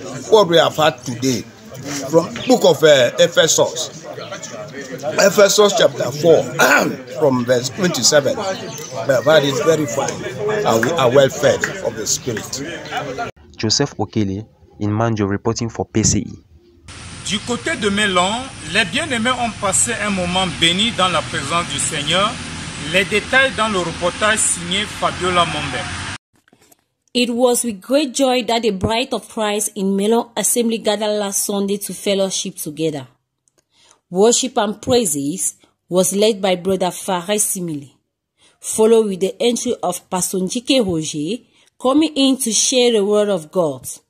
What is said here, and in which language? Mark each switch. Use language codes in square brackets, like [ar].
[en] What we have had today, from book of Ephesus, Ephesus chapter 4, from verse 27, we have had it verified, and we are well fed of the Spirit. Joseph Okele, in Manjo, reporting for PCI. [fr] Du côté de Melon, les bien-aimés ont passé un moment béni dans la présence du Seigneur. Les détails dans le reportage signé Fabiola Mombe. [en] It was with great joy that the Bride of Christ in Melon Assembly gathered last Sunday to fellowship together. Worship and praises was led by Brother Farès Simili, followed with the entry of Pastor Njike Roger, coming in to share the word of God.